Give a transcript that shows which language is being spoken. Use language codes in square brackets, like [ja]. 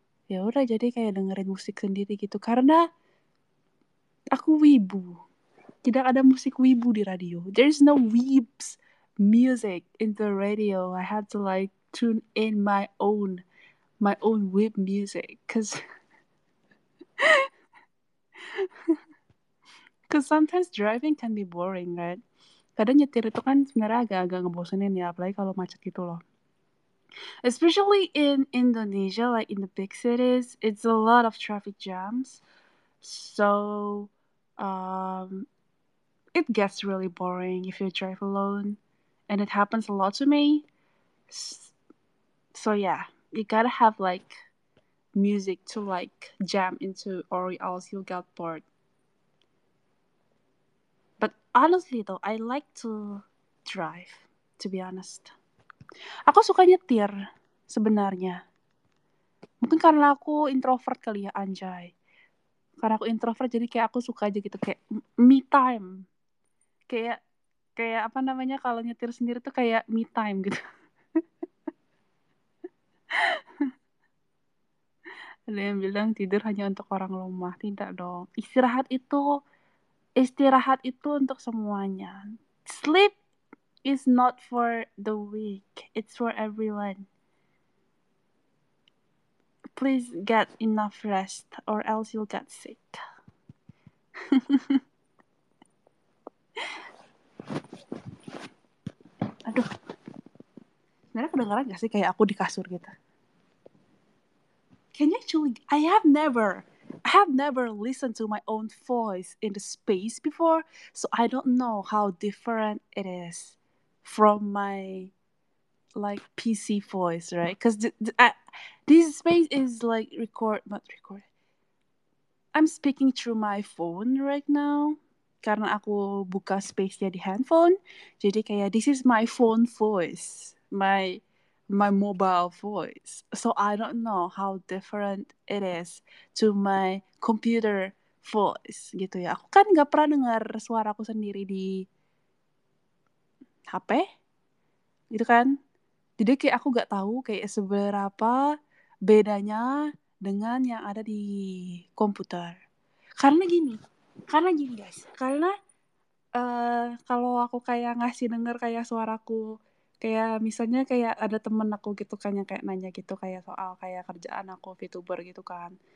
[id] Ya udah jadi kayak dengerin musik sendiri gitu karena aku wibu. Tidak ada musik wibu di radio. [en] There is no weebs music in the radio. I had to like tune in my own whip music, cause Because sometimes driving can be boring, right? [id] Kadang nyetir itu kan sebenarnya agak-agak ngebosenin ya, apalagi kalau macet gitu loh. [en] Especially in Indonesia, like in the big cities, it's a lot of traffic jams. So, it gets really boring if you drive alone. And it happens a lot to me. So yeah, you gotta have like music to like jam into or else you'll get bored. But honestly though, I like to drive, to be honest. [id] Aku suka nyetir sebenarnya. Mungkin karena aku introvert kali ya, anjay. Karena aku introvert jadi kayak aku suka aja gitu, kayak me time. Kayak apa namanya, kalau nyetir sendiri tuh kayak me time gitu. Ada yang bilang tidur hanya untuk orang lemah. Tidak dong. Istirahat itu untuk semuanya. [en] Sleep is not for the weak. It's for everyone. Please get enough rest or else you'll get sick. [id] Aduh. Sebenarnya kedengeran gak sih kayak aku di kasur gitu? [en] Can you actually, I have never listened to my own voice in the space before, so I don't know how different it is from my, like, PC voice, right? Because this space is, like, not recorded. I'm speaking through my phone right now, [id] karena aku buka space-nya di handphone, jadi kayak, [en] this is my phone voice, my mobile voice. So I don't know how different it is to my computer voice [id] gitu ya. Aku kan gak pernah dengar suara aku sendiri di HP gitu kan. Jadi kayak aku gak tahu kayak seberapa bedanya dengan yang ada di komputer. Karena gini guys. Karena kalau aku kayak ngasih dengar kayak suaraku, kayak misalnya kayak ada temen aku gitu kan yang kayak nanya gitu kayak soal kayak kerjaan aku VTuber gitu kan.